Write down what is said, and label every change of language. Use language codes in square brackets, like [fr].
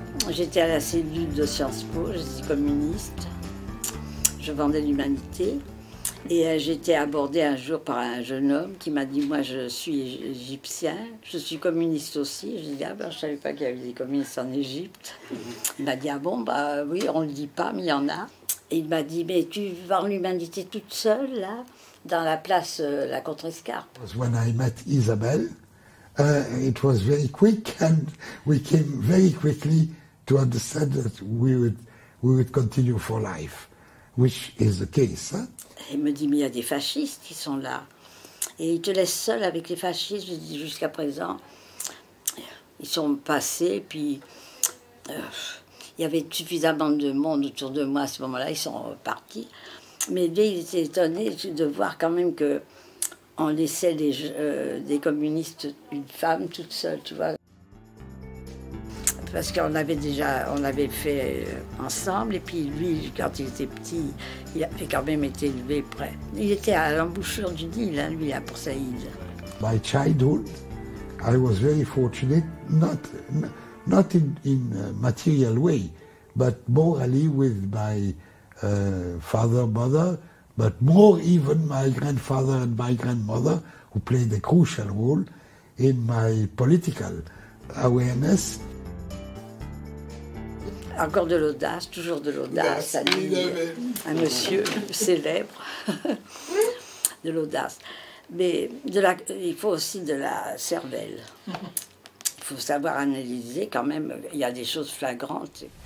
[fr] J'étais à la cellule de Sciences Po, je suis communiste, je vendais l'humanité et j'étais abordée un jour par un jeune homme qui m'a dit « moi je suis égyptien, je suis communiste aussi ». Je dis « ah ben je savais pas qu'il y avait des communistes en Égypte ». Il m'a dit « ah bon, bah oui, on le dit pas, mais il y en a ». Il m'a dit « mais tu vends l'humanité toute seule là, dans la place la Contrescarpe ». [en] When I met Isabelle, it was very quick, and we came very quickly to understand that we would continue for life, which is the case. Huh? [fr] Il me dit, mais il y a des fascistes qui sont là, et ils te laissent seul avec les fascistes. Je dis, jusqu'à présent, ils sont passés, puis il y avait suffisamment de monde autour de moi à ce moment-là, ils sont partis. Mais lui, il était étonné de voir quand même que on laissait des communistes, une femme toute seule, tu vois. Parce qu'on avait déjà, on avait fait ensemble, et puis lui, quand il était petit, il avait quand même été élevé près. Il était à l'embouchure du Nil, hein, lui, à Port Saïd. [en] My childhood, I was very fortunate, not in a material way, but morally with my father, mother, but more even my grandfather and my grandmother, who played a crucial role in my political awareness. [fr] Encore de l'audace, toujours de l'audace, à lui, un monsieur célèbre, de l'audace. Mais il faut aussi de la cervelle. faut savoir analyser quand même, il y a des choses flagrantes.